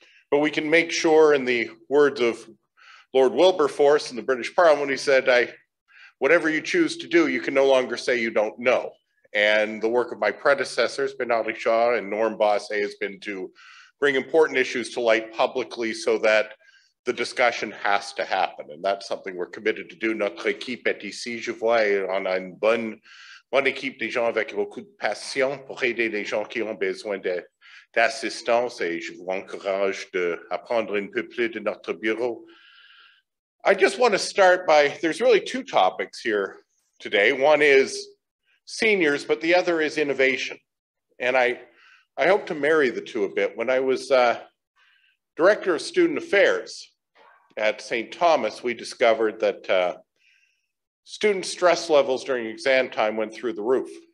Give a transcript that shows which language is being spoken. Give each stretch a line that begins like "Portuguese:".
English: But we can make sure, in the words of Lord Wilberforce in the British Parliament, he said, whatever you choose to do, you can no longer say you don't know. And the work of my predecessors, Benali Shaw and Norm Bosse, has been to bring important issues to light publicly so that the discussion has to happen. And that's something we're committed to do.
French: Notre équipe est ici, je vois, on a une bonne équipe de gens avec beaucoup de passion pour aider les gens qui ont besoin de d'assistance, et je vous encourage d'apprendre un peu plus de notre bureau.
English: I just want to start by, there's really two topics here today. One is seniors, but the other is innovation. And I hope to marry the two a bit. When I was director of student affairs at St. Thomas, we discovered that student stress levels during exam time went through the roof.